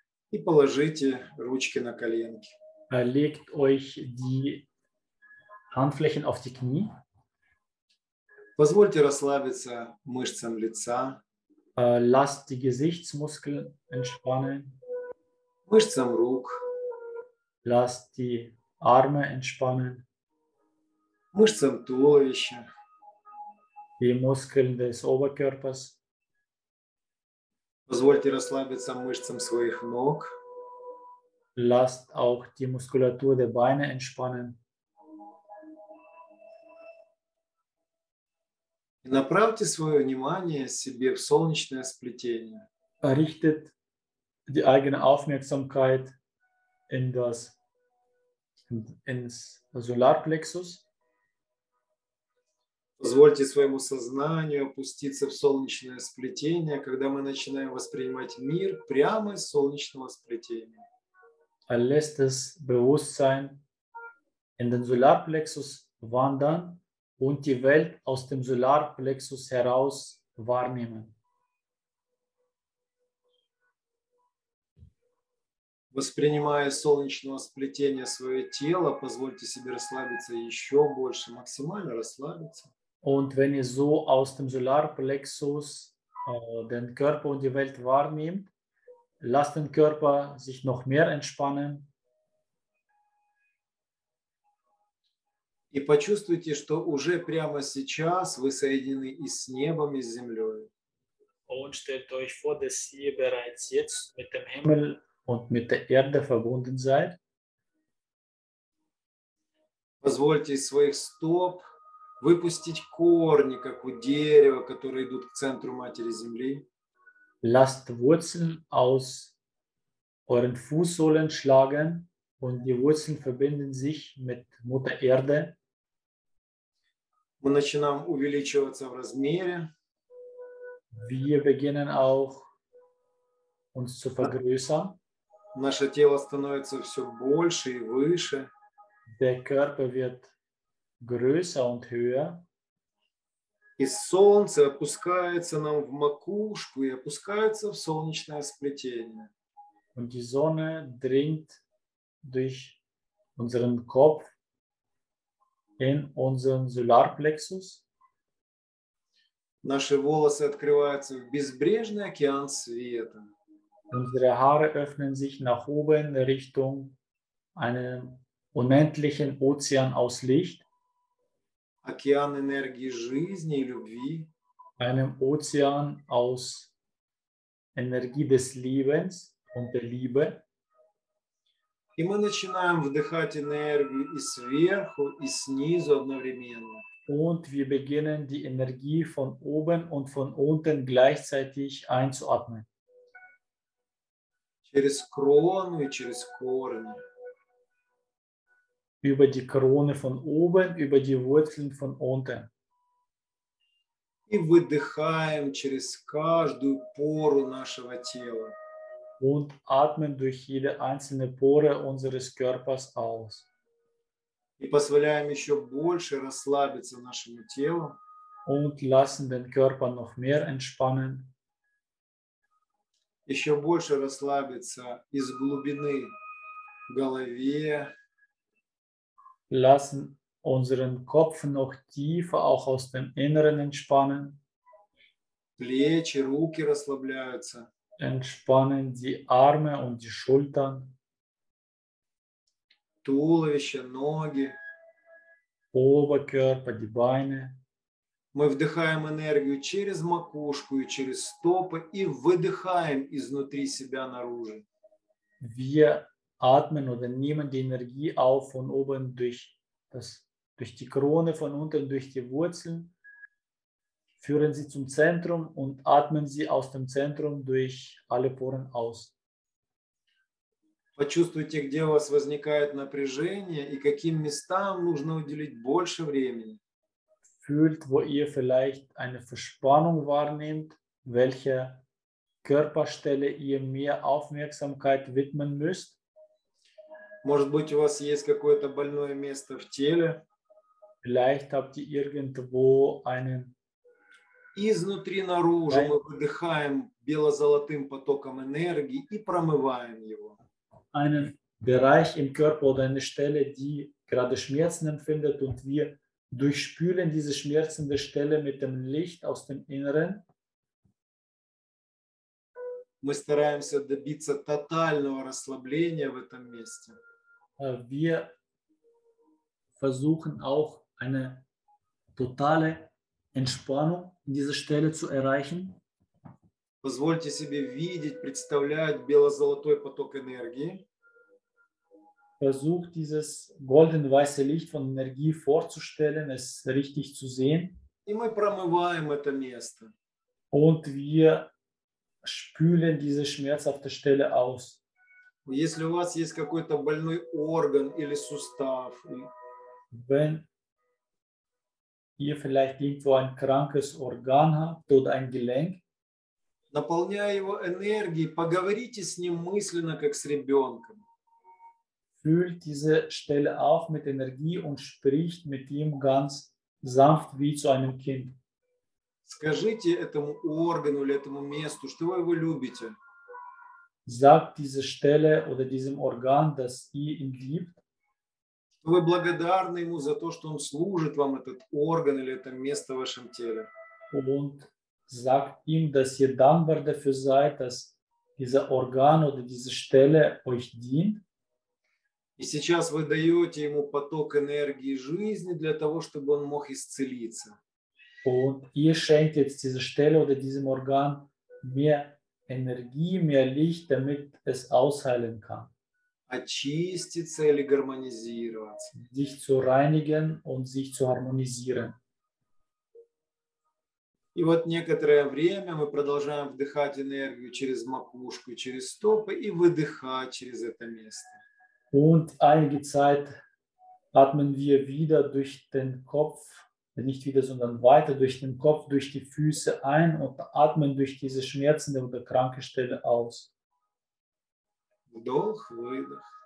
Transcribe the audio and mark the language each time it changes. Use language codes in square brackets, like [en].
[ru] И положите ручки на коленки. [de] Legt euch die Handflächen auf die Knie. [ru] Позвольте расслабиться мышцам лица. [de] Lasst die Gesichtsmuskeln entspannen. [ru] Мышцам рук. [de] Lasst die Arme entspannen. [ru] Мышцам туловища. [de] Die Muskeln des Oberkörpers. [ru] Позвольте расслабиться мышцам своих ног. [de] Lasst auch die Muskulatur der Beine entspannen. [ru] Направьте свое внимание себе в солнечное сплетение. [de] Richtet die eigene Aufmerksamkeit in das ins Solarplexus. [ru] Позвольте своему сознанию опуститься в солнечное сплетение, когда мы начинаем воспринимать мир прямо из солнечного сплетения. [de] Lässt das Bewusstsein in den Solarplexus wandern und die Welt aus dem Solarplexus heraus wahrnehmen. [ru] Воспринимая солнечное сплетение свое тело, позвольте себе расслабиться еще больше, максимально расслабиться. [de] Und wenn ihr so aus dem Solarplexus den Körper und die Welt wahrnehmt, lasst den Körper sich noch mehr entspannen. [ru] И почувствуйте, что уже прямо сейчас вы соединены и с небом, и с землей. [de] Und stellt euch vor, dass ihr bereits jetzt mit dem Himmel und mit der Erde verbunden seid. [ru] Позвольте из своих стоп выпустить корни, как у дерева, которые идут к центру Матери Земли. [de] Lasst Wurzeln aus euren Fußsohlen schlagen und die Wurzeln verbinden sich mit Mutter Erde. [ru] Мы начинаем увеличиваться в размере. [de] Wir beginnen auch uns zu vergrößern. [ru] Наше тело становится все больше и выше. [de] Der Körper wird größer und höher. [ru] И солнце опускается нам в макушку и опускается в солнечное сплетение. [de] Und die Sonne dringt durch unseren Kopf in unseren Solarplexus. [ru] Наши волосы открываются в безбрежный океан света. [de] Unsere Haare öffnen sich nach oben Richtung einem unendlichen Ozean aus Licht. [ru] Океан энергии жизни и любви. [de] Einem Ozean aus Energie des Lebens und der Liebe. [ru] И мы начинаем вдыхать энергию и сверху, и снизу одновременно. [de] Und wir beginnen die Energie von oben und von unten gleichzeitig einzuatmen. [ru] Через крону и через корни. [de] Über die Krone von oben, über die Wurzeln von unten. [ru] И выдыхаем через каждую пору нашего тела. [de] Und atmen durch jede einzelne Pore unseres Körpers aus. [ru] И позволяем еще больше расслабиться нашему телу. [de] Und lassen den Körper noch mehr entspannen. [ru] Еще больше расслабиться из глубины в голове. [de] Lassen unseren Kopf noch tiefer auch aus dem Inneren entspannen. [ru] Плечи, руки расслабляются. [de] Entspannen die Arme und die Schultern. [ru] Туловище, ноги. [de] Oberkörper, die Beine. [ru] Мы вдыхаем энергию через макушку и через стопы и выдыхаем изнутри себя наружу. [de] Wir atmen oder nehmen die Energie auf von oben durch die Krone, von unten durch die Wurzeln. Führen Sie zum Zentrum und atmen Sie aus dem Zentrum durch alle Poren aus. [ru] Почувствуйте, где у вас возникает напряжение и каким местам нужно уделить больше времени. [de] Fühlt, wo ihr vielleicht eine Verspannung wahrnehmt, welche Körperstelle ihr mehr Aufmerksamkeit widmen müsst. [ru] Может быть, у вас есть какое-то больное место в теле. [de] Vielleicht habt ihr irgendwo einen. [ru] Изнутри наружу мы выдыхаем бело-золотым потоком энергии и промываем его. [de] Einen Bereich im Körper oder eine Stelle, die gerade Schmerzen empfindet, und wir durchspülen diese schmerzende Stelle mit dem Licht aus dem Inneren. [ru] Мы стараемся добиться тотального расслабления в этом месте. [de] Wir versuchen auch eine totale Entspannung in dieser Stelle zu erreichen. [ru] Позвольте себе видеть, представлять бело-золотой поток энергии. [de] Versucht dieses golden-weiße Licht von Energie vorzustellen, es richtig zu sehen. [ru] И мы промываем это место. [de] Und wir spülen diese schmerzhafte Stelle aus. [ru] Если у вас есть какой-то больной орган или сустав, [de] wenn ihr vielleicht irgendwo ein krankes Organ habt oder ein Gelenk, [ru] наполняя его энергией, поговорите с ним мысленно, как с ребенком. [de] Füllt diese Stelle auf mit Energie und spricht mit ihm ganz sanft wie zu einem Kind. [ru] Скажите этому органу или этому месту, что вы его любите. [de] Sagt dieser Stelle oder diesem Organ, dass ihr ihn liebt. [ru] Что вы благодарны ему за то, что он служит вам, этот орган или это место в вашем теле. [de] Und sagt ihm, dass ihr dankbar dafür seid, dass dieser Organ oder diese Stelle euch dient. [ru] И сейчас вы даете ему поток энергии жизни для того, чтобы он мог исцелиться. [de] Und ihr schenkt jetzt dieser Stelle oder diesem Organ mehr Energie, mehr Licht, damit es ausheilen kann. [ru] Очиститься или гармонизироваться. [de] Sich zu reinigen und sich zu harmonisieren. [ru] И вот некоторое время мы продолжаем вдыхать энергию через макушку, через стопы и выдыхать через это место. [de] Und einige Zeit atmen wir wieder durch den Kopf, nicht wieder, sondern weiter durch den Kopf, durch die Füße ein und atmen durch diese schmerzende oder kranke Stelle aus. [ru] Вдох, выдох.